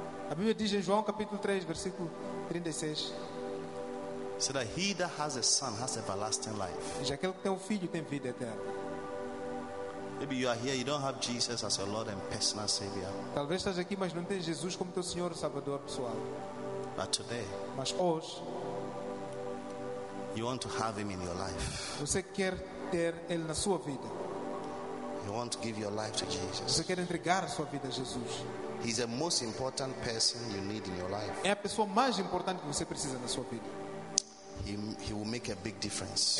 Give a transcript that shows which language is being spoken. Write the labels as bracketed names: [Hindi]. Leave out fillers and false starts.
[Portuguese] A Bíblia diz em João capítulo 3, versículo 36. [English] So that he that has a son has everlasting life. [Portuguese] Já aquele que tem um filho tem vida eterna. [English] Maybe you are here, you don't have Jesus as your Lord and personal Savior. [Portuguese] Talvez estás aqui, mas não tens Jesus como teu Senhor e Salvador pessoal. [English] But today, [Portuguese] mas hoje, [English] you want to have him in your life. [Portuguese] Você quer ter ele na sua vida. [English] You want to give your life to Jesus. [Portuguese] Você quer entregar a sua vida a Jesus. [English] He's the most important person you need in your life. [Portuguese] É a pessoa mais importante que você precisa na sua vida. [English] He will make a big difference.